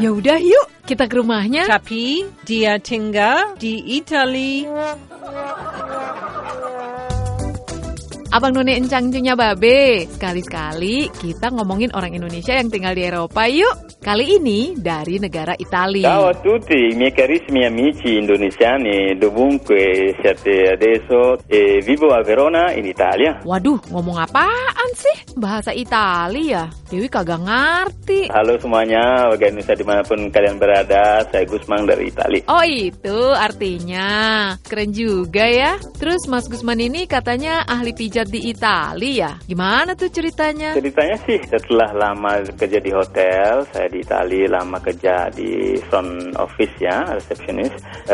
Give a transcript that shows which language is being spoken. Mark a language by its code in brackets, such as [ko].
[id] Ya udah yuk, kita ke rumahnya. Tapi dia tinggal di Itali. Abang None Encang Cinya Babe, sekali-sekali kita ngomongin orang Indonesia yang tinggal di Eropa yuk. Kali ini dari negara Italia. [it] Ciao a tutti, miei carissimi amici indonesiani, dovunque siete adesso, vivo a Verona in Italia. [id] Waduh, ngomong apaan sih? Bahasa Italia ya? Dewi kagak ngerti. Halo semuanya, warga Indonesia dimanapun kalian berada, saya Gusman dari Italia. Oh itu artinya, keren juga ya. Terus Mas Gusman ini katanya ahli pijat di Italia ya? Gimana tuh ceritanya? Ceritanya sih, setelah lama kerja di hotel, saya di Italia lama kerja di front office ya, receptionist.